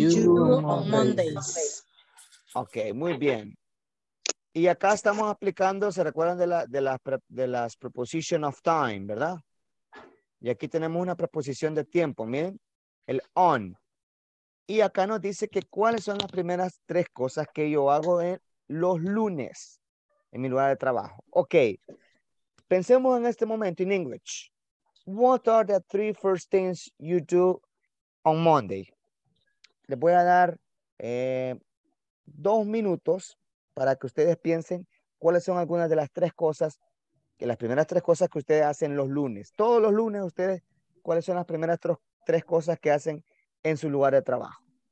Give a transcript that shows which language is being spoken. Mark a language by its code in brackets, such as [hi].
[en] What are the three first things you do on Mondays? [es] Okay, muy bien. Y acá estamos aplicando, se recuerdan de las [en] preposition of time, [es] ¿verdad? Y aquí tenemos una preposición de tiempo, miren, el on. Y acá nos dice que cuáles son las primeras tres cosas que yo hago en los lunes en mi lugar de trabajo. Ok, pensemos en este momento en English. [en] What are the three first things you do on Monday? [es] Les voy a dar 2 minutos para que ustedes piensen cuáles son algunas de las tres cosas que las primeras tres cosas que ustedes hacen los lunes. Todos los lunes ustedes, ¿cuáles son las primeras tres cosas que hacen en su lugar de trabajo?